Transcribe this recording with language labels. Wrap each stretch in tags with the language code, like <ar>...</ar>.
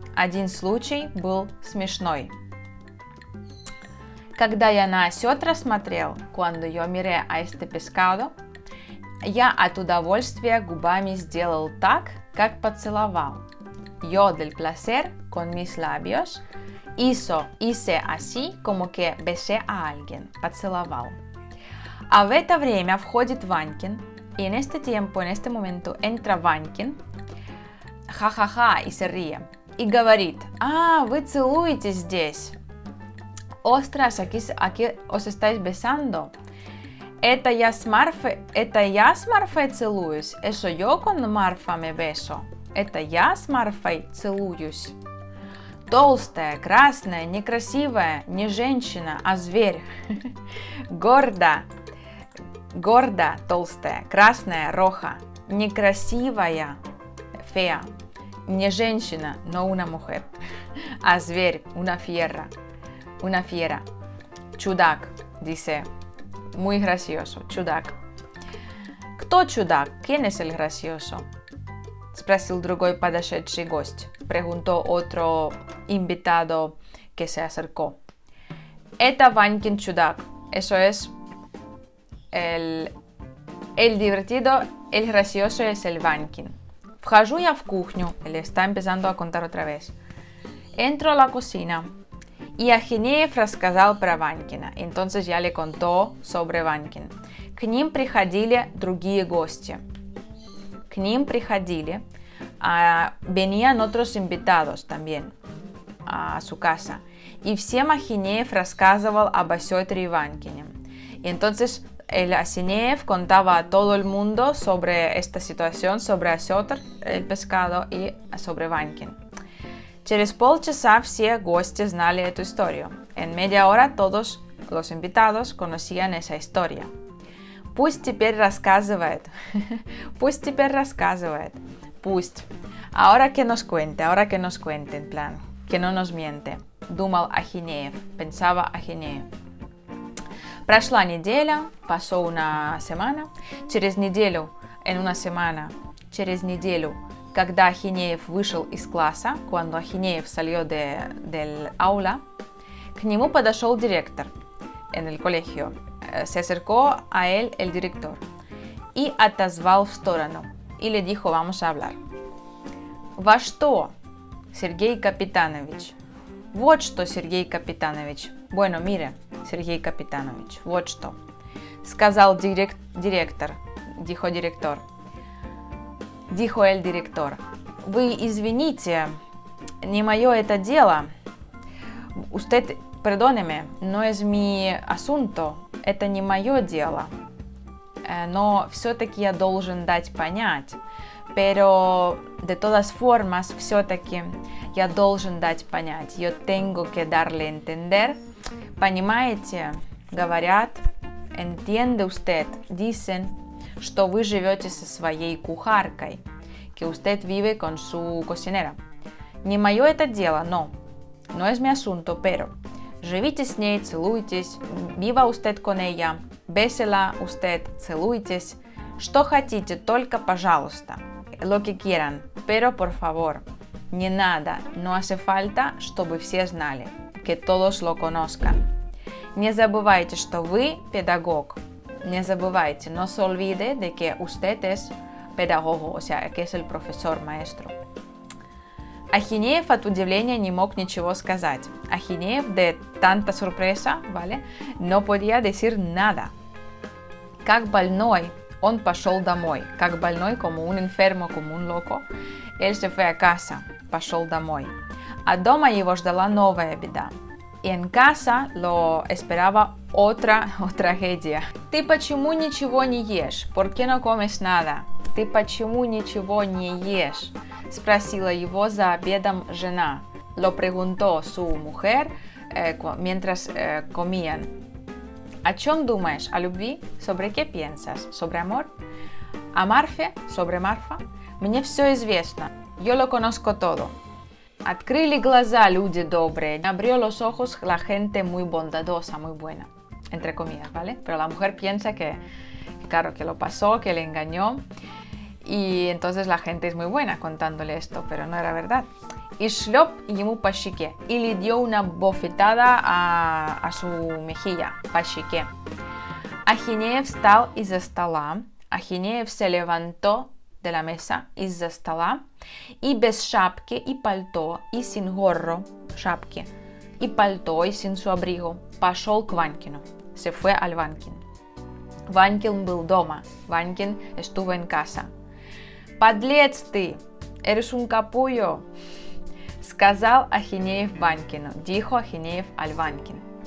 <ru>Один случай был смешной. Когда я на осетра смотрел,</ru> <es>cuando yo miré a este pescado,</es> <ru>я от удовольствия губами сделал так, как поцеловал.</ru> <es>Yo del placer, con mis labios, hice así, como que besé a alguien,</es> <ru>поцеловал. А в это время входит</ru> <es>Ванькин, и en este tiempo, en este momento, entra Ванькин,</es> <ru>ха-ха-ха, и</ru> <es>se ríe,</es> <ru>и говорит, а, вы целуетесь здесь.</ru> <es>Ostras, aquí os estáis besando.</es> <ru>Это я с Марфой целуюсь.</ru> <es>Eso yo con Marfa me beso.</es> <ru>Это я с Марфой целуюсь. Толстая, красная, некрасивая, не женщина, а зверь. Горда. Горда, толстая, красная, роха. Некрасивая, фея. Не женщина, но</ru> <es>una mujer.</es> <ru>А зверь,</ru> <es>una fiera. Una fiera.</es> <ru>Чудак,</ru> <es>dice. Muy gracioso,</es> <ru>чудак. Кто чудак?</ru> <es>¿Quién es el gracioso?</es> <ru>Спросил другой подошедший гость.</ru> <es>Preguntó otro invitado que se acercó.</es> <ru>Это Ванькин чудак.</ru> <es>Eso es el divertido, el gracioso es el Ванькин.</es> <ru>Вхожу я в кухню.</ru> <es>Él está empezando a contar otra vez. Entro a la cocina. Y</es> <ru>Ахинеев рассказал про Ванькина.</ru> <es>Entonces ya le contó sobre Ванькин.</es> <ru>К ним приходили другие гости. К ним приходили.</ru> <es>Venían otros invitados también a su casa. Y</es> <ru>всем Ахинеев рассказывал об Осетре и Ванькине.</ru> <es>Y entonces el Ахинеев contaba a todo el mundo sobre esta situación, sobre Осетр, el pescado, y sobre Ванькин.</es> <ru>Через полчаса все гости знали эту историю.</ru> <es>En media hora todos los invitados conocían esa historia.</es> <ru>Пусть теперь рассказывает. Пусть теперь рассказывает. Пусть.</ru> <es>Ahora que nos cuente, ahora que nos cuente, en plan, que no nos miente.</es> <ru>Думал Ахинеев,</ru> <es>pensaba</es> <ru>Ахинеев. Прошла неделя,</ru> <es>pasó una semana.</es> <ru>Через неделю,</ru> <es>en una semana,</es> <ru>через неделю, когда Ахинеев вышел из класса,</ru> <es>cuando Ахинеев salió del aula,</es> <ru>к нему подошел директор</ru> <es>en el colegio. Se acercó a él el director y</es> <ru>отозвал в сторону. И</ru> <es>le dijo, vamos a hablar.</es> <ru>Во что, Сергей Капитанович? Вот что, Сергей Капитанович.</ru> <es>Bueno, mire, Сергей Капитанович,</es> <ru>вот что. Сказал директор,</ru> <es>dijo director. Dijo el director.</es> <ru>Вы извините, не мое это дело.</ru> <es>Usted, perdóneme, no es mi asunto.</es> <ru>Это не мое дело. Но все-таки я должен дать понять.</ru> <es>Pero de todas formas,</es> <ru>все-таки я должен дать понять.</ru> <es>Yo tengo que darle entender.</es> <ru>Понимаете, говорят,</ru> <es>entiende usted, dicen,</es> <ru>что вы живете со своей кухаркой,</ru> <es>que usted vive con su cocinera.</es> <ru>Не мое это дело, но,</ru> <es>no es mi asunto, pero,</es> <ru>живите с ней, целуйтесь,</ru> <es>viva usted con ella,</es> <ru>весело usted, целуйтесь, что хотите, только пожалуйста.</ru> <es>Lo que quieran, pero por favor,</es> <ru>не надо,</ru> <es>no hace falta,</es> <ru>чтобы все знали,</ru> <es>que todos lo conozcan.</es> <ru>Не забывайте, что вы педагог. Не забывайте,</ru> <es>no se olvide de que usted es педагогу, o sea, que es el profesor, maestro.</es> <ru>Ахинеев от удивления не мог ничего сказать.</ru> <es>Ахинеев de tanta sorpresa, ¿vale? No podía decir nada. Как больной.</es> <ru>Он пошел домой, как больной,</ru> <es>como un enfermo, como un loco. Él se fue a casa,</es> <ru>пошел домой. А дома его ждала новая беда. И</ru> <es>en casa lo esperaba otra tragedia.</es> <ru>Ты почему ничего не ешь?</ru> <es>¿Por qué no comes nada?</es> <ru>Ты почему ничего не ешь? Спросила его за обедом жена.</ru> <es>Lo preguntó su mujer mientras comían.</es> <ru>О чем думаешь? О любви?</ru> <es>Sobre qué piensas? Sobre amor?</es> <ru>О Марфе?</ru> <es>Sobre Marfa?</es> <ru>Мне все известно.</ru> <es>Yo lo conozco todo.</es> <ru>Открыли глаза люди добрые.</ru> <es>Abrió los ojos la gente muy bondadosa, muy buena. Entre comillas, ¿vale? Pero la mujer piensa que, claro, que lo pasó, que le engañó. Y entonces la gente es muy buena contándole esto, pero no era verdad.</es> <ru>И шлёп ему по щеке. И</ru> <es>le dio una bofetada a su mejilla,</es> <ru>по щеке. Ахинеев встал из-за стола.</ru> <es>Ахинеев se levantó de la mesa,</es> <ru>из-за стола. И без шапки, и пальто, и</ru> <es>sin gorro,</es> <ru>шапки. И пальто, и</ru> <es>sin su abrigo.</es> <ru>Пошёл к Ванькину.</ru> <es>Se fue al Ванькин.</es> <ru>Ванькин был дома.</ru> <es>Ванькин estuvo en casa.</es> <ru>Подлец ты!</ru> <es>Eres un capullo!</es> <ru>Сказал Ахинеев Ванькину.</ru> <es>Dijo Ахинеев al Ванькин.</es>